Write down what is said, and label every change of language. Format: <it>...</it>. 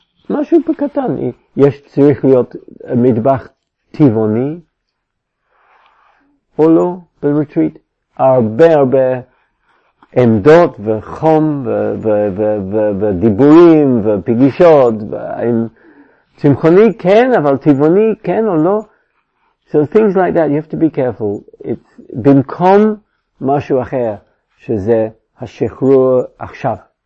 <he>משהו בקטן. יש צריך להיות מטבח טבעוני או לא ברטריט. הרבה הרבה עמדות וחום ודיבורים ופגישות עם צמחוני כן, אבל טבעוני כן או לא.</he> <en>So things like that, you have to be careful. It's</en> <he>במקום משהו אחר, שזה השחרור עכשיו.</he>